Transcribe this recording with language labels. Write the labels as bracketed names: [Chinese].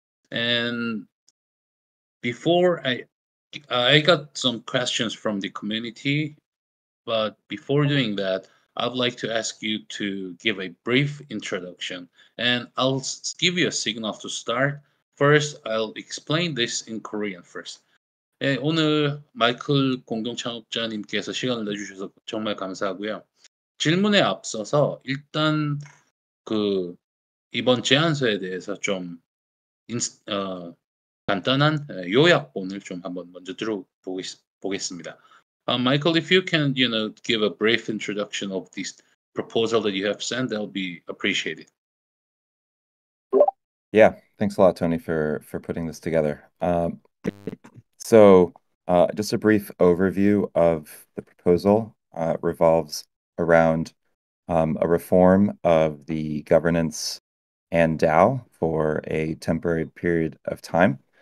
[English] And before I got some questions from the community, but before doing that, I'd like to ask you to give a brief introduction, and I'll give you a signal to start. First, I'll explain this in Korean first. [Korean] 네, 오늘 마이클 공동 창업자님께서 시간을 내주셔서 정말 감사하고요. 질문에 앞서서 일단 그 이번 제안서에 대해서 좀 간단한 요약본을 좀 한번 먼저 들어보겠습니다. [English] Michael, if you can, you know, give a brief introduction of this proposal that you have sent, that would be appreciated. Yeah, thanks a lot, Tony, for putting this together. Just a brief overview of the proposal revolves around a reform of the governance and DAO for a temporary period of time.